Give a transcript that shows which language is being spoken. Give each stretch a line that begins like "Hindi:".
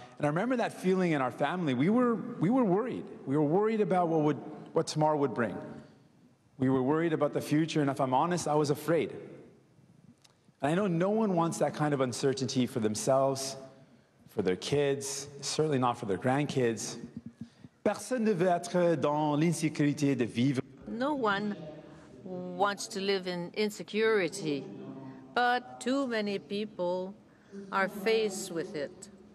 English: And I remember that feeling in our family. We were worried. We were worried about what tomorrow would bring. We were worried about the future, and if I'm honest, I was afraid. And I know no one wants that kind of uncertainty for themselves, for their kids, certainly not for their grandkids.
French: Personne ne veut être dans l'insécurité de vivre.
English: No one wants to live in insecurity, but too many people are faced with it.